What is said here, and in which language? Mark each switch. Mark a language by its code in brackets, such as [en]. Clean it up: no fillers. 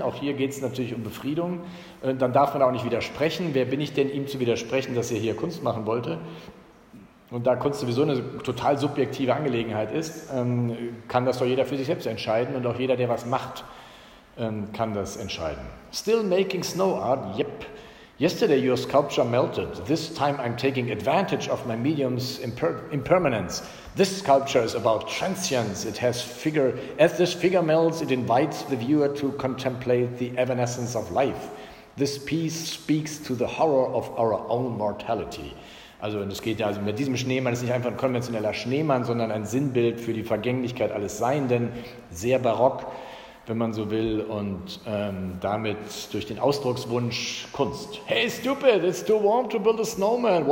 [de] Auch hier geht es natürlich um Befriedung. Dann darf man auch nicht widersprechen. Wer bin ich denn, ihm zu widersprechen, dass er hier Kunst machen wollte? Und da Kunst sowieso eine total subjektive Angelegenheit ist, kann das doch jeder für sich selbst entscheiden und auch jeder, der was macht, kann das entscheiden. [en] Still making snow art, yep. Yesterday your sculpture melted. This time I'm taking advantage of my medium's impermanence. This sculpture is about transience. It has figure. As this figure melts, it invites the viewer to contemplate the evanescence of life. This piece speaks to the horror of our own mortality. [de] Also, und es geht ja also mit diesem Schneemann, ist nicht einfach ein konventioneller Schneemann, sondern ein Sinnbild für die Vergänglichkeit alles Seienden. Sehr barock, wenn man so will, und damit durch den Ausdruckswunsch Kunst. [en] Hey, stupid, it's too warm to build a snowman.